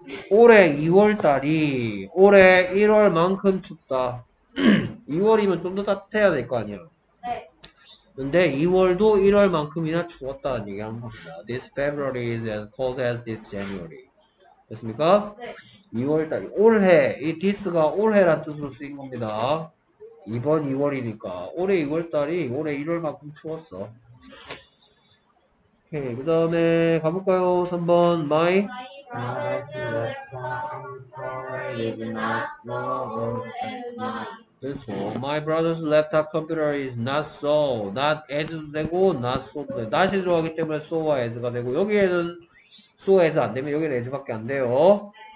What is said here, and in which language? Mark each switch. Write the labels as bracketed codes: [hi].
[ko] 올해 2월달이 올해 1월만큼 춥다. 2월이면 좀 더 따뜻해야 될 거 아니야. 네. 근데 2월도 1월만큼이나 추웠다는 얘기하는 겁니다. [en] This February is as cold as this January. [ko] 됐습니까? 네. 2월달이 올해, 이 this가 올해란 뜻으로 쓰인 겁니다. 이번 2월이니까 올해 2월달이 올해 1월만큼 추웠어. 오케이, 그 다음에 가볼까요? 3번 [en] My My brother's laptop computer is not so not as [ko] 되고 not so 낫이 들어가기 때문에 so와 as가 되고 여기에는 so as 안되면 여기는 as밖에 안돼요.